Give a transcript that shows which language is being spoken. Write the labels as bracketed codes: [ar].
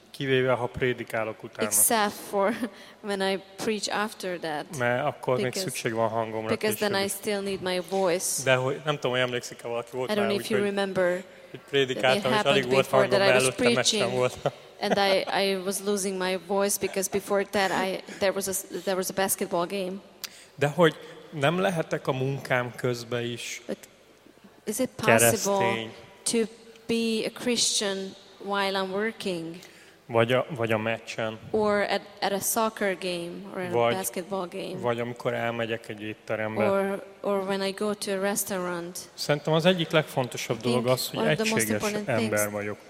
[hu] Kivéve ha prédikálok utána. [en] Except for when I preach after that. [hu] Mert akkor még szükség van hangomra. [en] Because then I still need my voice. [hu] De hogy nem tudom, hogy emlékszik-e valaki, volt már, úgy, [en] you remember, [hu] hogy prédikáltam, és alig volt hangom, mert előtte meccsem volt. [en] And I was losing my voice because before that there was a basketball game. [hu] De hogy nem lehetek a munkám közben is. [en] But is it possible to be a Christian while I'm working? [hu] Vagy a meccsen. [en] Or at a soccer game or a basketball game. [hu] Vagy amikor elmegyek egy étterembe. [en] Or when I go to a restaurant. [hu] Szerintem az egyik legfontosabb dolog az, hogy egységes ember vagyok.